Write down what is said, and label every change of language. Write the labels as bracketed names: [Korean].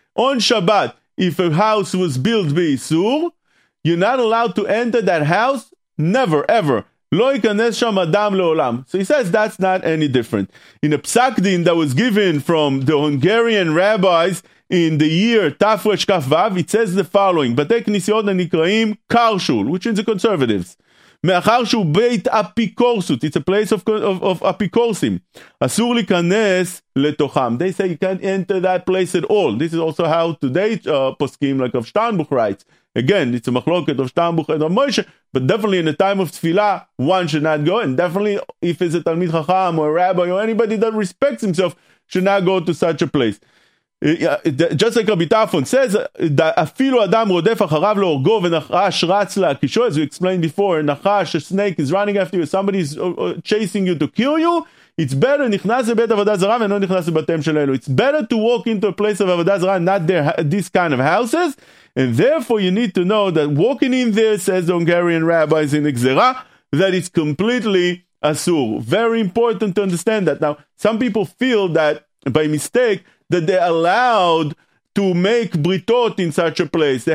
[English] On Shabbat, if a house was built באיסור, you're not allowed to enter that house, never, ever. [Hebrew] לא ייכנס שם אדם לעולם. [English] So he says that's not any different. In a psak din that was given from the Hungarian rabbis in the year Tafresh Kaf Vav, it says the following, [Hebrew] בתי כנסיות הנקראים קרשול, [English] which is the conservatives. [Hebrew] מאחר שהוא בית אפיקורסות, [English] it's a place of [Hebrew] אפיקורסים, אסור להיכנס לתוכם. [English] They say you can't enter that place at all. This is also how today poskim like of Shtanbuch writes. Again, it's a machloket of Shtanbuch and of Moshe, but definitely in the time of tefillah, one should not go, and definitely if it's a Talmid Chacham or a rabbi or anybody that respects himself should not go to such a place. Just like Rabbi Tafon says, [Hebrew] אפילו אדם רודף אחריו להורגו ונחש רץ להקישו, [English] as we explained before, נחש, a snake is running after you, somebody is chasing you to kill you, it's better, [Hebrew] נכנס לבית עבודה זרה ולא נכנס לבתם של אלו. [English] It's better to walk into a place of עבודה זרה, not there, this kind of houses, and therefore you need to know that walking in there, says the Hungarian rabbis in Gzera, that it's completely asur. Very important to understand that. Now, some people feel that by mistake, that they're allowed to make britot in such a place.